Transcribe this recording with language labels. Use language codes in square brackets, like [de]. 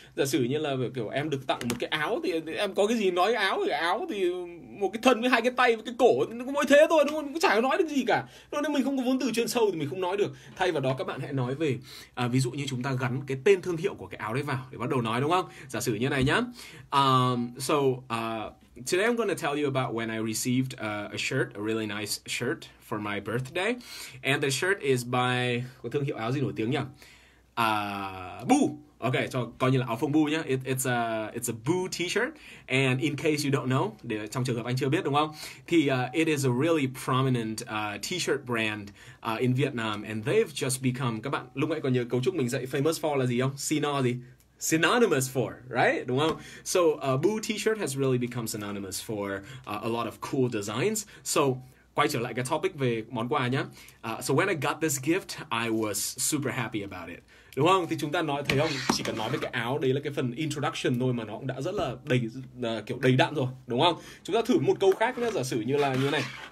[vi] Giả sử như là kiểu em được tặng một cái áo thì em có cái gì nói áo, thì áo thì một cái thân với hai cái tay với cái cổ, nó mỗi thế thôi, đúng không? Cũng chả nói được gì cả. Nên mình không có vốn từ chuyên sâu thì mình không nói được. Thay vào đó các bạn hãy nói về ví dụ như chúng ta gắn cái tên thương hiệu của cái áo đấy vào để bắt đầu nói, đúng không? Giả sử như này nhá. [en] Today I'm going to tell you about when I received a shirt, a really nice shirt for my birthday. And the shirt is by, [vi] có thương hiệu áo gì nổi tiếng nhỉ? Boo. Okay, so coi như là áo phông Boo nhá. [en] It's a Boo t-shirt, and in case you don't know, [vi] để trong trường hợp anh chưa biết đúng không? [en] Thì it is a really prominent t-shirt brand in Vietnam, and they've just become, [vi] các bạn lúc nãy còn nhớ cấu trúc mình dạy [en] famous for [vi] là gì không? [en] Synonym gì? Synonymous for, right? [vi] Đúng không? [en] So Boo t-shirt has really become synonymous for a lot of cool designs. [vi] So quay trở lại cái topic về món quà nhá. [en] So when I got this gift, I was super happy about it. [vi] Đúng không? Thì chúng ta nói, thấy không? Chỉ cần nói về cái áo, đấy là cái phần introduction thôi mà nó cũng đã rất là đầy, kiểu đầy đặn rồi, đúng không? Chúng ta thử một câu khác nhá, giả sử như là như này.